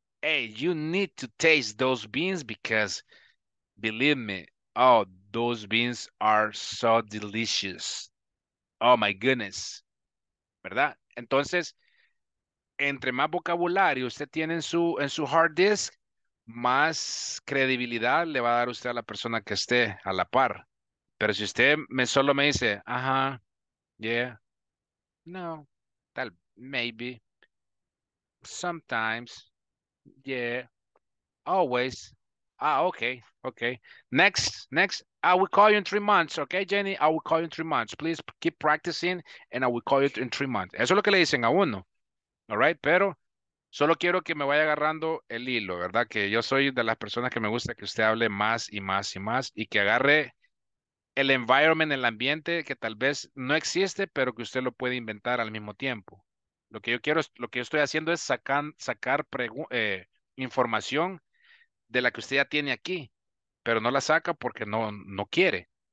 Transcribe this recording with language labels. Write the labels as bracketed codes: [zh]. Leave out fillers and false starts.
[en] Hey, you need to taste those beans because, believe me, oh, those beans are so delicious. Oh, my goodness. [es] ¿Verdad? Entonces, entre más vocabulario usted tiene en su hard disk, más credibilidad le va a dar usted a la persona que esté a la par. Pero si usted solo me dice, ajá, yeah, no, tal, [en] maybe, sometimes, yeah, always, [es] ah, okay, okay. [en] Next, next, I will call you in 3 months, okay, Jenny? I will call you in 3 months. Please keep practicing and I will call you in 3 months. [es] Eso es lo que le dicen a uno, all right? Pero solo quiero que me vaya agarrando el hilo, ¿verdad? Que yo soy de las personas que me gusta que usted hable más y más y más y que agarre el environment, el ambiente que tal vez no existe, pero que usted lo puede inventar al mismo tiempo. Lo que yo quiero, lo que yo estoy haciendo es sacar información de la que usted ya tiene aquí, pero no la saca porque no quiere.